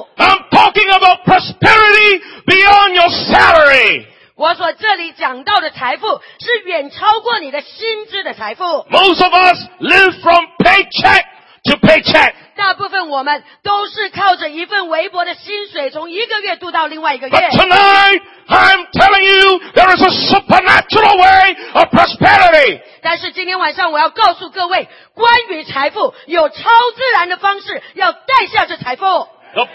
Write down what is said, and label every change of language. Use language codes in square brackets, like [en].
[en] I'm talking about prosperity beyond your salary. [zh] 我所这里讲到的财富是远超过你的薪资的财富。 [en] Most of us live from paycheck to paycheck. [zh] 大部分我们都是靠着一份微薄的薪水，从一个月度到另外一个月。But [en] tonight, I'm telling you, there is a supernatural way of prosperity. [zh] 但是今天晚上我要告诉各位，关于财富，有超自然的方式要带下这财富。The